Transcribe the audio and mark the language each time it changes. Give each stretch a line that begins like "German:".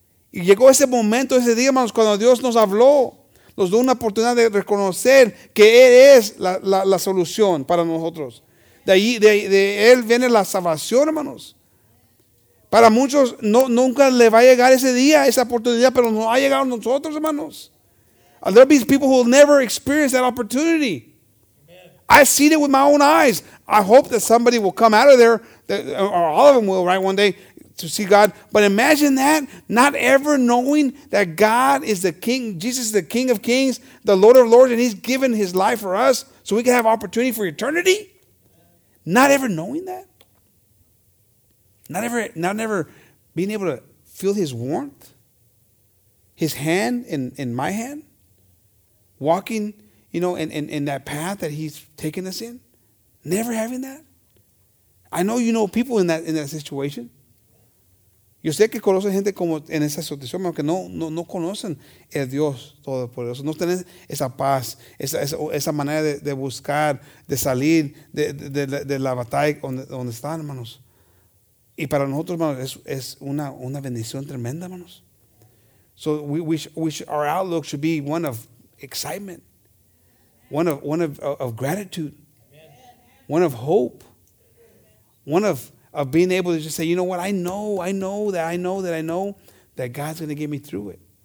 Spanish: Y llegó ese momento, ese día, hermanos, cuando Dios nos habló, nos dio una oportunidad de reconocer que Él es la solución para nosotros. De allí, de Él viene la salvación, hermanos. Para muchos, no, nunca le va a llegar ese día, esa oportunidad, pero nos ha llegado a nosotros, hermanos.
English: There will be people who will never experience that opportunity. I've seen it with my own eyes. I hope that somebody will come out of there, or all of them will, right, one day, to see God. But imagine that, not ever knowing that God is the King, Jesus is the King of Kings, the Lord of Lords, and he's given his life for us so we can have opportunity for eternity. Not ever knowing that. Not ever being able to feel his warmth, his hand in my hand, walking, you know, in that path that he's taken us in. Never having that. I know you know people in that situation.
Spanish: Yo sé que conocen gente como en esa situación, pero que no conocen el Dios Todopoderoso. No tienen esa paz, esa manera de buscar, de salir de la batalla donde están, hermanos. Y para nosotros, hermanos, es una bendición tremenda, hermanos.
English: So our outlook should be one of excitement, one of gratitude, one of hope, one of being able to just say, you know what, I know that God's going to get me through it.